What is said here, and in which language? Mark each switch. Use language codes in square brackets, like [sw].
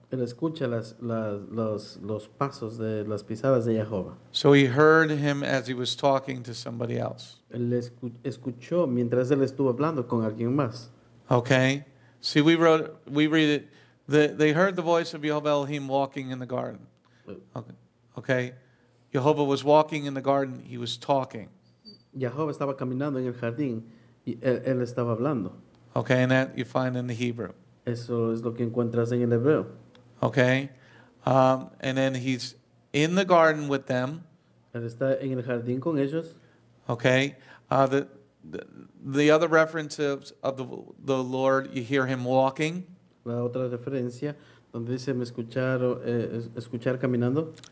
[es] Él escucha los pasos de las pisadas de Jehová. [en] So he heard him as he was talking to somebody else. [es] Él escuchó mientras él estuvo hablando con alguien más. [en] Okay. See, we read it. They heard the voice of Yehovah Elohim walking in the garden. Okay. Yehovah was walking in the garden. He was talking. [es] Yehovah estaba caminando en el jardín y él estaba hablando. [en] Okay, and that you find in the Hebrew. [es] Eso es lo que encuentras en el hebreo. [en] Okay, and then he's in the garden with them. [es] Él está en el jardín con ellos. [en] Okay, the other references of the Lord, you hear him walking. [es] La otra referencia donde dice me escucharon, escuchar caminando.